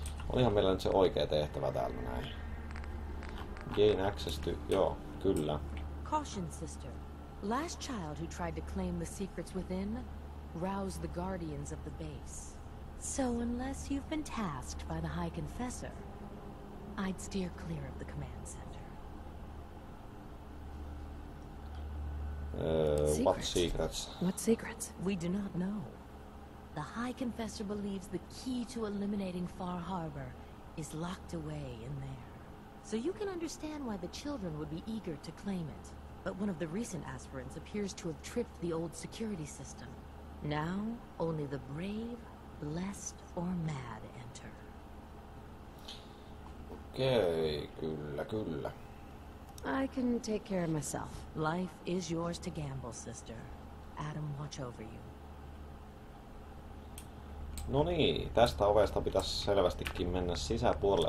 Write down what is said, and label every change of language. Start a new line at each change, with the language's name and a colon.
Finnish: Olihan meillä nyt se oikea tehtävä täällä näin.
English: Gain access to,
Finnish: joo, kyllä.
English: Caution, sister. Last child who tried to claim the secrets within roused the guardians of the base. So unless you've been tasked by the High Confessor, I'd steer clear of the command center. What secrets? What secrets? We do not know. The High Confessor believes the key to eliminating Far Harbor is locked away in there. So you can understand why the children would be eager to claim it. But one of the recent aspirants appears to have tripped the old security system. Now, only the brave, blessed, or mad enter.
Finnish: Okay, kyllä, kyllä.
English: I can take care of myself. Life is yours to gamble, sister. Adam, watch over you.
Finnish: No niin, tästä ovesta pitäisi selvästikin mennä sisäpuolelle.